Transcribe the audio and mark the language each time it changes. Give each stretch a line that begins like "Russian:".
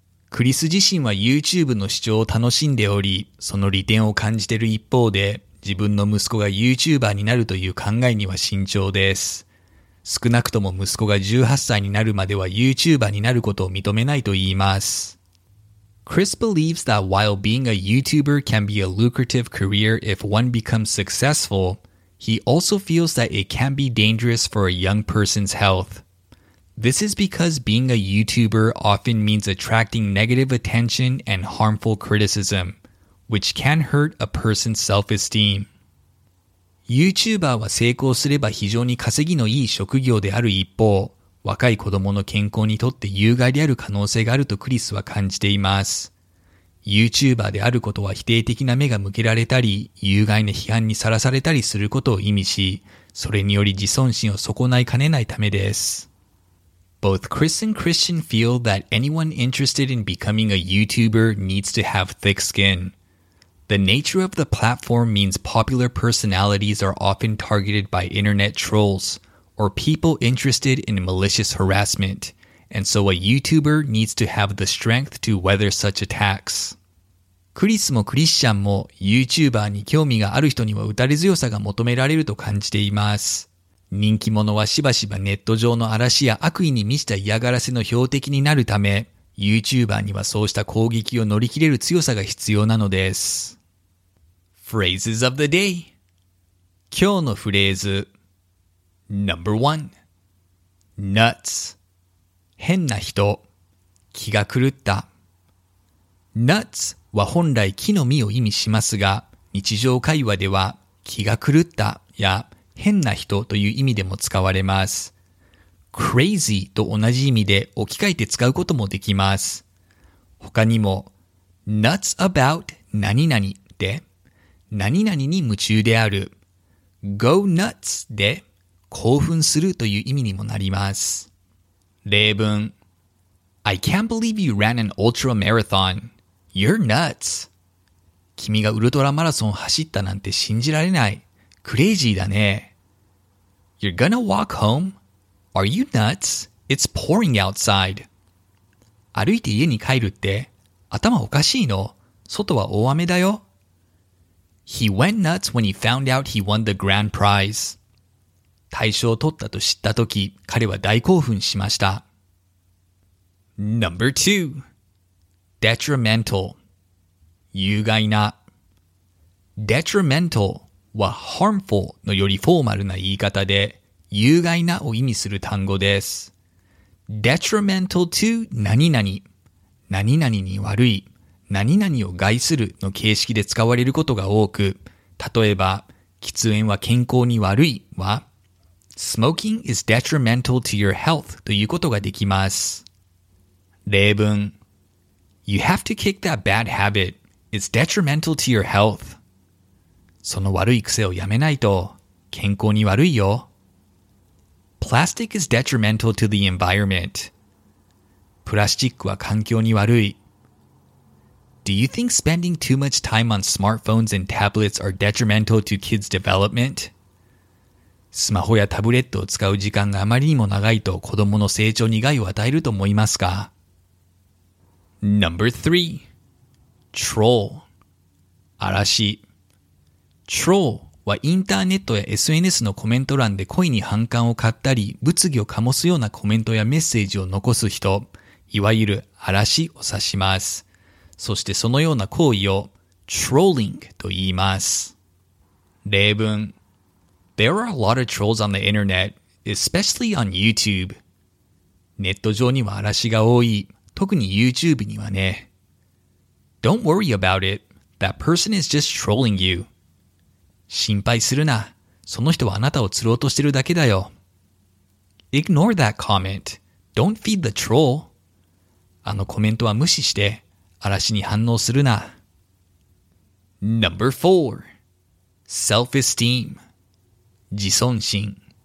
Japanese: クリス自身は YouTube の視聴を楽しんでおり、その利点を感じている一方で、自分の息子が YouTuber になるという考えには慎重です。少なくとも息子が18歳になるまでは YouTuber になることを認めないと言います。
English: Chris believes that while being a YouTuber can be a lucrative career if one becomes successful, he also feels that it can be dangerous for a young person's health. This is because being a YouTuber often means attracting negative attention and harmful criticism, which can hurt a person's self-esteem.
Japanese: YouTuber は成功すれば非常に稼ぎのいい職業である一方、若い子供の健康にとって有害である可能性があるとクリスは感じています。 YouTuber であることは否定的な目が向けられたり、有害な批判にさらされたりすることを意味し、それにより自尊心を損ないかねないためです。
English: Both Chris and Christian feel that anyone interested in becoming a YouTuber needs to have thick skin. The nature of the platform means popular personalities are often targeted by internet trolls or people interested in malicious harassment, and so a YouTuber needs to have the strength to weather such attacks.
Japanese: クリスもクリスチャンも YouTuber に興味がある人には打たれ強さが求められると感じています。人気者はしばしばネット上の嵐や悪意に満ちた嫌がらせの標的になるため、YouTuber にはそうした攻撃を乗り切れる強さが必要なのです。
English: Phrases of the day
Japanese: 今日のフレーズ
English: Number 1 Nuts
Japanese: 変な人気が狂った Nuts は本来木の実を意味しますが日常会話では気が狂ったや変な人という意味でも使われます Crazy と同じ意味で置き換えて使うこともできます。他にも、nuts about 何々で、何々に夢中である、go nuts で興奮するという意味にもなります。例文、
English: I can't believe you ran an ultra marathon. You're nuts.
Japanese: 君がウルトラマラソン走ったなんて信じられない。クレイジーだね。
English: You're gonna walk home? Are you nuts? It's pouring outside.
Japanese: 歩いて家に帰るって、頭おかしいの? 外は大雨だよ。
English: He went nuts when he found out he won the grand prize.
Japanese: 大賞を取ったと知ったとき、彼は大興奮しました。
English: Number two, detrimental, 有害な。
Japanese: Detrimental は harmful のよりフォーマルな言い方で、有害なを意味する単語です。 Detrimental to 何々、何々に悪い、何々を害するの形式で使われることが多く、例えば、喫煙は健康に悪いは、
English: Smoking is detrimental to your health
Japanese: ということができます。例文。
English: You have to kick that bad habit. It's detrimental to your health.
Japanese: その悪い癖をやめないと、健康に悪いよ。
English: Plastic is detrimental to the environment.
Japanese: プラスチックは環境に悪い。
English: Do you think spending too much time on smartphones and tablets are detrimental to kids' development?
Japanese: スマホやタブレットを使う時間があまりにも長いと子どもの成長に害を与えると思いますか?
English: Number 3. Troll. 嵐。
Japanese: Troll はインターネットや SNS のコメント欄で故意に反感を買ったり、物議を醸すようなコメントやメッセージを残す人、いわゆる嵐を指します。そしてそのような行為を trolling と言います。例文。
English: There are a lot of trolls on the internet, especially on YouTube.
Japanese: ネット上には嵐が多い、特に YouTube にはね。
English: Don't worry about it. That person is just trolling you.
Japanese: 心配するな。その人はあなたを釣ろうとしてるだけだよ。
English: Ignore that comment. Don't feed the troll.
Japanese: あのコメントは無視して、嵐に反応するな。
English: Number 4. Self-esteem. 自尊心。